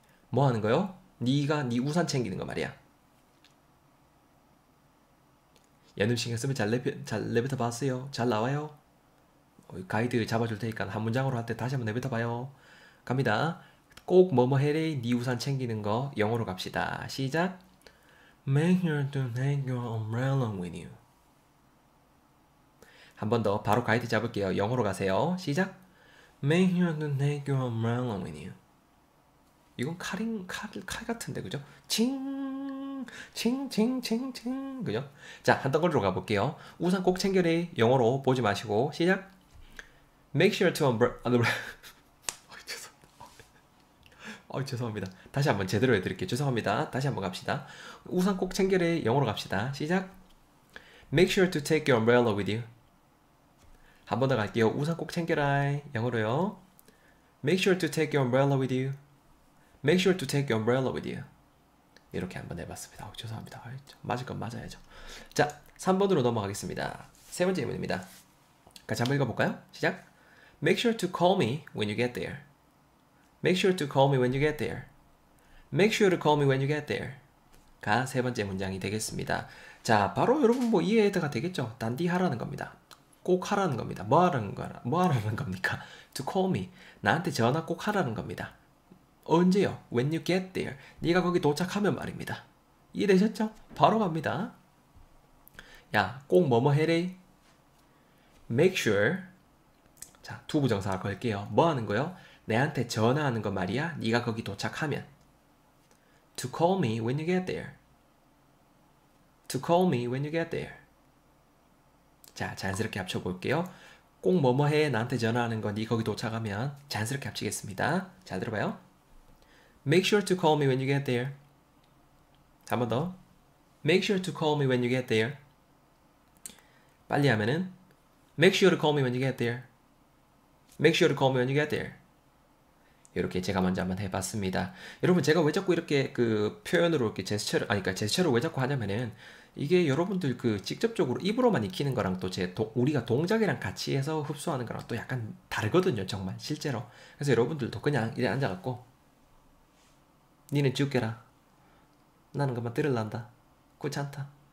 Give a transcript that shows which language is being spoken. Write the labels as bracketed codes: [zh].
[ko] 뭐 하는 거요? 네가 네 우산 챙기는 거 말이야. 연음 신경 쓰면 잘 내뱉어 봤어요. 잘 나와요. 가이드 잡아줄 테니까 한 문장으로 할때 다시 한번 내뱉어 봐요. 갑니다. 꼭 뭐뭐 해래? 네 우산 챙기는 거 영어로 갑시다. 시작. [en] Make sure to take your umbrella with you. [ko] 한번더 바로 가이드 잡을게요. 영어로 가세요. 시작. [en] Make sure to take your umbrella with you. [ko] 이건 칼인 칼 같은데 그죠? 칭칭칭칭칭 그죠? 자, 한 덩어리로 가볼게요. 우산 꼭 챙겨래. 영어로 보지 마시고 시작. [en] Make sure to umbrella. [ko] 죄송합니다. 다시 한번 제대로 해드릴게요. 죄송합니다. 다시 한번 갑시다. 우산 꼭 챙겨래. 영어로 갑시다. 시작. [en] Make sure to take your umbrella with you. [ko] 한번더 갈게요. 우산 꼭 챙겨라. 영어로요. [en] Make sure to take your umbrella with you. Make sure to take your umbrella with you. [ko] 이렇게 한번 해봤습니다. 죄송합니다. 맞을 건 맞아야죠. 자, 3번으로 넘어가겠습니다. 세 번째 질문입니다. 같이 한번 읽어볼까요? 시작. [en] Make sure to call me when you get there. Make sure to call me when you get there. Make sure to call me when you get there. [ko] 가세 번째 문장이 되겠습니다. 자, 바로 여러분 뭐 이해가 되겠죠? 단디 하라는 겁니다. 꼭 하라는 겁니다. 뭐 하라는 겁니까? [en] To call me. [ko] 나한테 전화 꼭 하라는 겁니다. 언제요? [en] When you get there. [ko] 네가 거기 도착하면 말입니다. 이해되셨죠? 바로 갑니다. 야, 꼭 뭐뭐 해래. [en] Make sure. [ko] 자, to 부정사 걸게요. 뭐 하는 거요? 내한테 전화하는 거 말이야. 네가 거기 도착하면. [en] To call me when you get there. To call me when you get there. [ko] 자, 자연스럽게 합쳐볼게요. 꼭 뭐뭐해. 나한테 전화하는 거. 네 거기 도착하면. 자연스럽게 합치겠습니다. 잘 들어봐요. [en] Make sure to call me when you get there. [ko] 한번 더. [en] Make sure to call me when you get there. [ko] 빨리 하면은 [en] Make sure to call me when you get there. Make sure to call me when you get there. [ko] 이렇게 제가 먼저 한번 해봤습니다. 여러분, 제가 왜 자꾸 이렇게 그 표현으로 이렇게 제스처를, 아니, 그러니까 제스처를 왜 자꾸 하냐면은 이게 여러분들 그 직접적으로 입으로만 익히는 거랑 또제 우리가 동작이랑 같이 해서 흡수하는 거랑 또 약간 다르거든요, 정말 실제로. 그래서 여러분들도 그냥 이래 앉아갖고 니는 죽여라. 나는 그만 들을란다. 귀찮다.